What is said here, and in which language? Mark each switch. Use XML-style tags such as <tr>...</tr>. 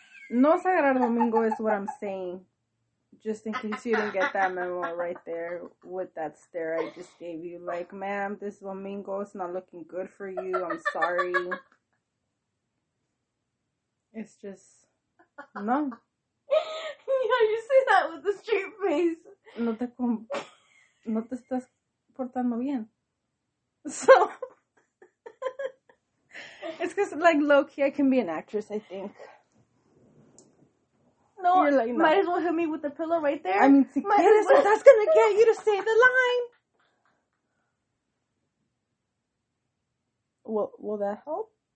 <es>No sagrar domingo</es> <en>is what I'm saying. Just in case you didn't get that memo right there with that stare I just gave you. Like, ma'am, this domingo is not looking good for you. I'm sorry. It's just... No. Yeah, you say that with a straight face.</en> <es>No te estás portando bien.</es> <en>So... It's because, like, low-key, I can be an actress, I think. No, like, no, might as well hit me with the pillow right there. I mean,</en> <es>si quieres,</es> <en>well. That's gonna get you to say the line. Will that help?</en>